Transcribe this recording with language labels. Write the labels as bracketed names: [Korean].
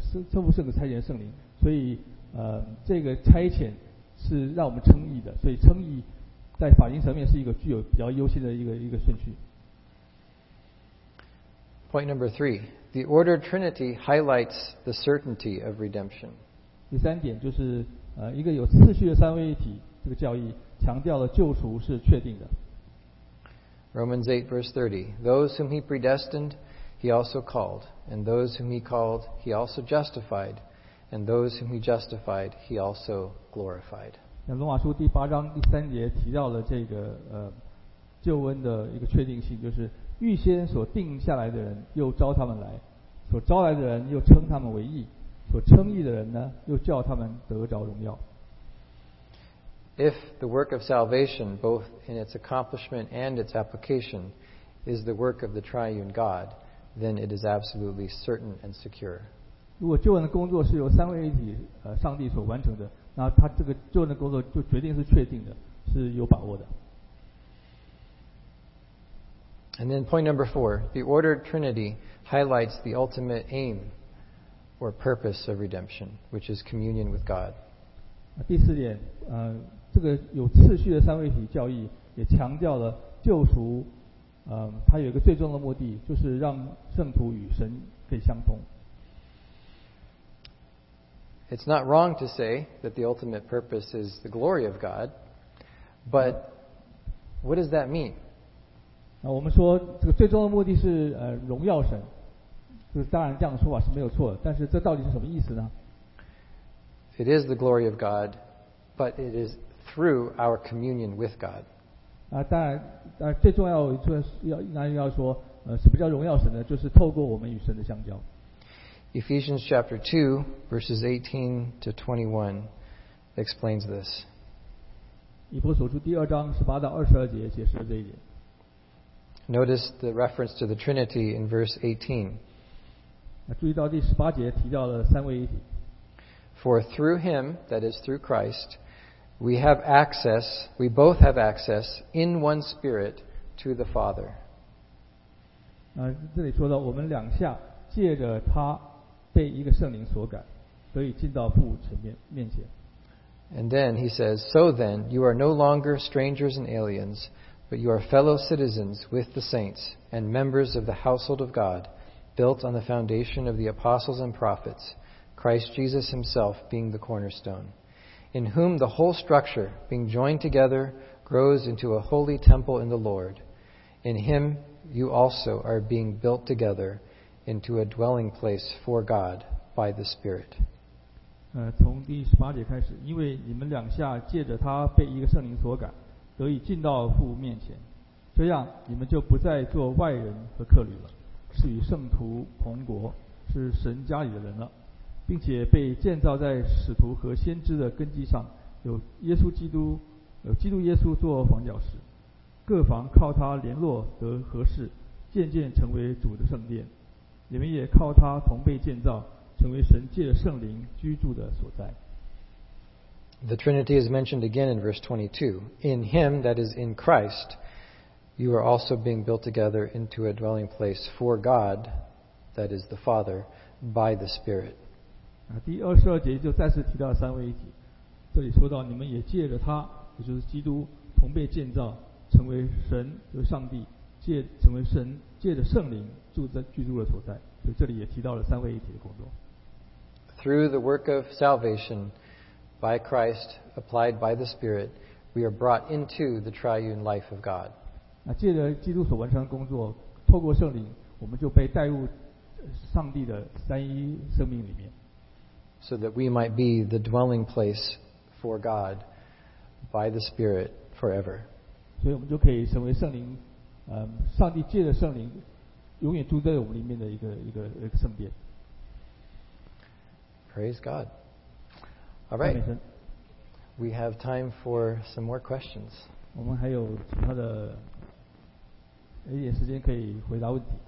[Chinese] 圣父、圣子差遣圣灵，所以这个差遣是让我们称义的，所以称义在法庭上面是一个具有比较优先的一个顺序。 [English] Point number three, the ordered Trinity highlights the certainty of redemption. [Chinese] 第三点就是一个有次序的三位一体这个教义强调了救赎是确定的。 [English] Romans 8 verse 30, those whom he predestined, he also called, and those whom he called, he also justified, and those whom he justified, he also glorified. [Chinese] 那罗马书第八章第三节提到了这个救恩的一个确定性，就是预先所定下来的人又招他们来，所招来的人又称他们为义，所称义的人呢又叫他们得着荣耀。 [English] If the work of salvation, both in its accomplishment and its application, is the work of the triune God, then it is absolutely certain and secure. [Chinese] 如果救恩的工作是由三位一体上帝所完成的，那他这个救恩的工作就决定是确定的，是有把握的。 [English] And then point number four, the ordered Trinity highlights the ultimate aim or purpose of redemption, which is communion with God. [Chinese] 第四点，这个有次序的三位一体教义也强调了救赎，它有一个最终的目的，就是让圣徒与神可以相通。 [English] It's not wrong to say that the ultimate purpose is the glory of God, but what does that mean? [Chinese] 那我们说这个最终的目的是荣耀神，就是当然这样的说法是没有错的，但是这到底是什么意思呢？ [English] It is the glory of God, but it is through our communion with God. [Chinese] 当然最重要就是要说什么叫荣耀神呢，就是透过我们与神的相交。 [English] Ephesians chapter 2 verses 18 to 21 explains this. [Chinese] 以弗所书第二章十八到二十二节解释了这一点。 [English] Notice the reference to the Trinity in verse 18. [Chinese] 注意到第十八节提到了三位一体。 [English] For through him, that is through Christ, we have access, we both have access in one spirit to the Father. [Chinese] 这里说到我们两下借着他被一个圣灵所感，所以进到父前面前。 [English] And then he says, so then, you are no longer strangers and aliens, but you are fellow citizens with the saints and members of the household of God, built on the foundation of the apostles and prophets, Christ Jesus himself being the cornerstone, in whom the whole structure, being joined together, grows into a holy temple in the Lord. In him you also are being built together,into a dwelling place for God by the Spirit. [Chinese] 从第十八节开始，因为你们两下借着他被一个圣灵所感，得以进到父面前，这样你们就不再做外人和客旅了，是与圣徒同国，是神家里的人了，并且被建造在使徒和先知的根基上，有基督耶稣做房角石，各房靠他联络得合适，渐渐成为主的圣殿。你们也靠他同被建造，成为神借着圣灵居住的所在。 [English] The Trinity is mentioned again in verse 22. In him, that is in Christ, you are also being built together into a dwelling place for God, that is the Father, by the Spirit. [Chinese] 第二十二节就再次提到三位一体，这里说到你们也借着他，也就是基督，同被建造，成为神，就是上帝，成为神借着圣灵居住的所在，所以这里也提到了三位一体的工作。 [English] Through the work of salvation by Christ applied by the Spirit, we are brought into the triune life of God. [Chinese] 借着基督所完成的工作，透过圣灵，我们就被带入上帝的三一生命里面。 [English] So that we might be the dwelling place for God by the Spirit forever. [Chinese] 所以我们就可以成为圣灵，上帝借着圣灵永远住在我们里面的一个圣殿。 [English] Praise God. All right. We have time for some more questions. [Chinese] 我们还有其他的一点时间可以回答问题。